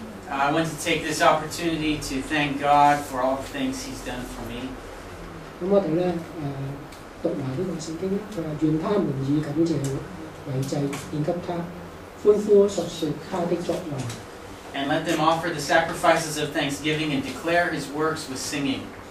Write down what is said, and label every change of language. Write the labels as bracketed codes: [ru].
[en] I want to take this opportunity to thank God for all the things He's done for me。 [yue] 咁我哋咧讀埋呢個聖經啦，佢話願他們以感謝為祭獻給他，歡呼述説他的作為。 [en] And let them offer the sacrifices of thanksgiving and declare His works with singing。